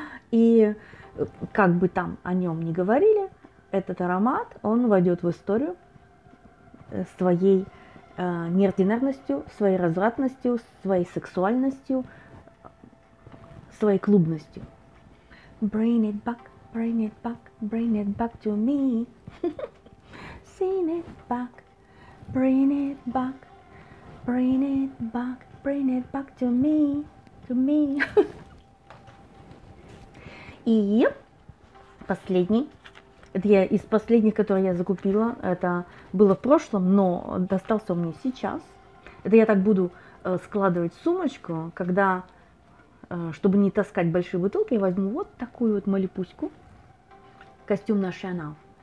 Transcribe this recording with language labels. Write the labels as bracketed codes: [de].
[ru] И как бы там о нем ни говорили, этот аромат, он войдет в историю своей неординарностью, своей развратностью, своей сексуальностью, своей клубностью. [en] Bring it back, bring it back, bring it back to me. Sing it back, bring it back, bring it back, bring it back to me, to me. [ru] И последний. Это я из последних, которые я закупила. Это было в прошлом, но достался он мне сейчас. Это я так буду складывать сумочку, когда, чтобы не таскать большие бутылки, я возьму вот такую вот малипуську. Костюм на Chanel.